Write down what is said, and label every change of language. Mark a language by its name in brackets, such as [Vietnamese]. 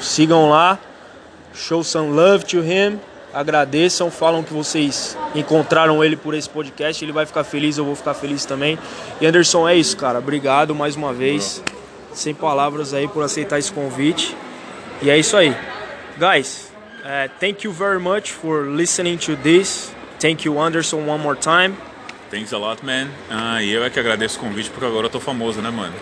[Portuguese] Sigam lá, [English] show some love to him, [Portuguese] agradeçam, falam que vocês encontraram ele por esse podcast, ele vai ficar feliz, eu vou ficar feliz também. E Anderson, é isso, cara, obrigado mais uma vez, sem palavras aí por aceitar esse convite. E é isso aí. [English] Guys, thank you very much for listening to this, thank you Anderson one more time. Thanks a lot, man. [Portuguese] Ah, e eu é que agradeço o convite, porque agora eu tô famoso, né, mano?